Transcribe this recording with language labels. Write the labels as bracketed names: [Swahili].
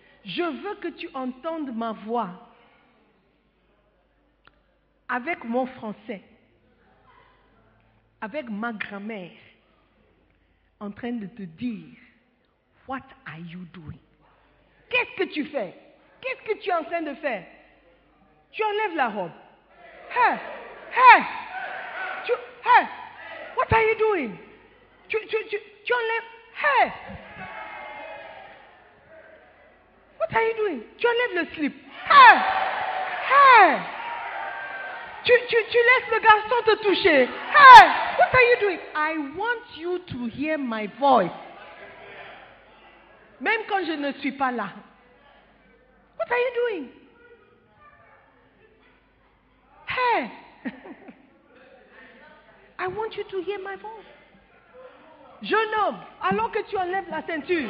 [French] Je veux que tu entendes ma voix avec mon français, avec ma grammaire, en train de te dire, [English] what are you doing? [French] Qu'est-ce que tu fais? Qu'est-ce que tu es en train de faire? Tu enlèves la robe. [English] Hey, hey, tu, hey, what are you doing? [French] Tu enlèves, hey. [English] What are you doing? [French] Tu enlèves le slip. Hey! Hey! Tu laisses le garçon te toucher. [English] Hey! What are you doing? I want you to hear my voice. [French] Même quand je ne suis pas là. [English] What are you doing? Hey! I want you to hear my voice. [French] Jeune homme, alors que tu enlèves la ceinture.